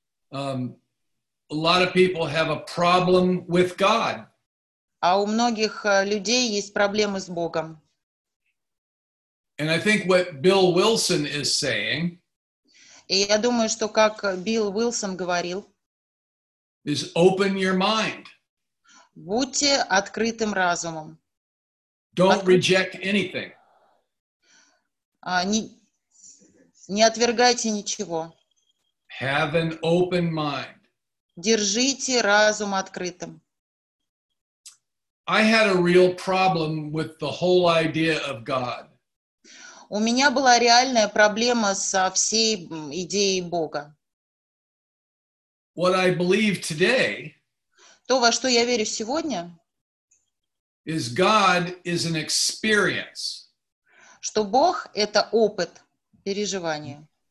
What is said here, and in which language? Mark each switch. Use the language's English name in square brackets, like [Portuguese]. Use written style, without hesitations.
[English] A lot of people have a problem with God. [Russian] А у многих людей есть проблемы с Богом. [English] And I think what Bill Wilson is saying, [Russian] и я думаю, что как Билл Уилсон говорил, [English] is open your mind. [Russian] Будьте открытым разумом. [English] Don't reject anything. [Russian] Не отвергайте ничего. [English] Have an open mind. [Russian] Держите разум открытым. [English] I had a real problem with the whole idea of God. [Russian] У меня была реальная проблема со всей идеей Бога. [English] What I believe today, [Russian] то, во что я верю сегодня, [English] is God is an experience. [Russian] Что Бог — это опыт, переживание.